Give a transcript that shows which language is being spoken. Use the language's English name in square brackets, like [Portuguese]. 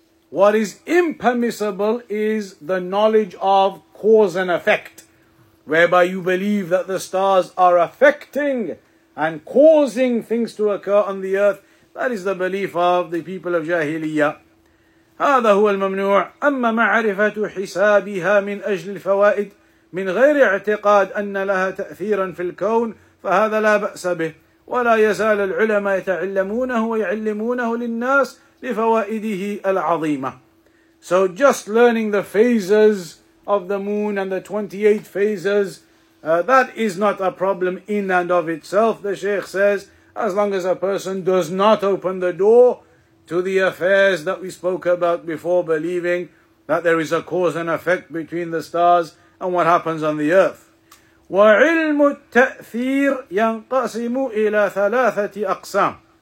[English] What is impermissible is the knowledge of cause and effect, whereby you believe that the stars are affecting and causing things to occur on the earth. That is the belief of the people of Jahiliyyah. [Arabic] هذا هو الممنوع. أما معرفة حسابها من أجل الفوائد من غير اعتقاد أن لها تأثيرا في الكون فهذا لا بأس به، ولا يزال العلماء يتعلمونه ويعلمونه للناس لفوائده العظيمة. [English] So just learning the phases of the moon and the 28 phases, that is not a problem in and of itself, the Sheikh says, as long as a person does not open the door to the affairs that we spoke about before, believing that there is a cause and effect between the stars and what happens on the earth. [Arabic] وعلم التأثير ينقسم إلى ثلاثة أقسام.